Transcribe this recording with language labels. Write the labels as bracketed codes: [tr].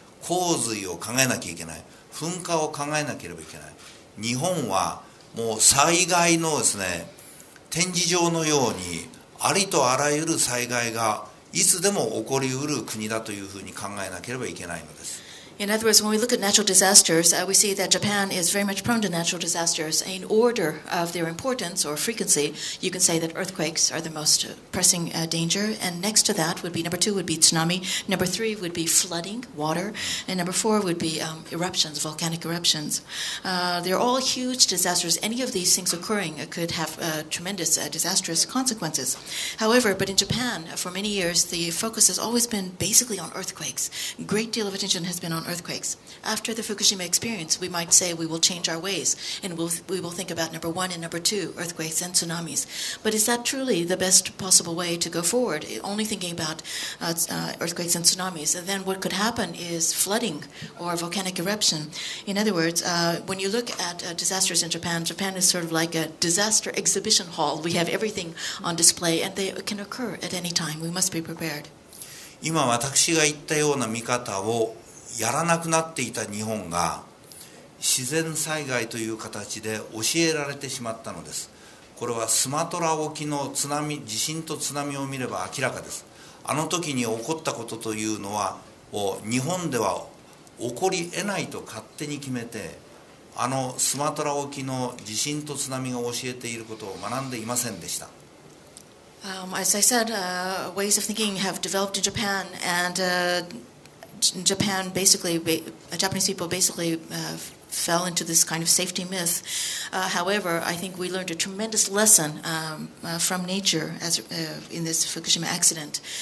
[ja] 洪水を考えなきゃいけない。噴火を考えなければいけない。日本はもう災害のですね、展示場のようにありとあらゆる災害がいつでも起こり得る国だというふうに考えなければいけないのです。 [en] In other words, when we look at natural disasters, we see that Japan is very much prone to natural disasters. In order of their importance or frequency, you can say that earthquakes are the most pressing danger. And next to that would be, number two would be tsunami. Number three would be flooding, water. And number four would be eruptions, volcanic eruptions. They're all huge disasters. Any of these things occurring could have tremendous disastrous consequences. However, but in Japan, for many years, the focus has always been basically on earthquakes. A great deal of attention has been on on earthquakes. After the Fukushima experience, we might say we will change our ways, and we will think about number one and number two, earthquakes and tsunamis. But is that truly the best possible way to go forward, only thinking about earthquakes and tsunamis? And then what could happen is flooding or volcanic eruption. In other words, when you look at disasters in Japan, Japan is sort of like a disaster exhibition hall. We have everything on display, and they can occur at any time. We must be prepared. [ja] 今私が言ったような見方をやらなくなっていた日本が自然災害という形で教えられてしまったのです。これはスマトラ沖の津波、地震と津波を見れば明らかです。あの時に起こったことというのは日本では起こり得ないと勝手に決めて、あのスマトラ沖の地震と津波が教えていることを学んでいませんでした。 [en] As I said, ways of thinking have developed in Japan, and Japan basically, Japanese people basically fell into this kind of safety myth. However, I think we learned a tremendous lesson from nature as in this Fukushima accident.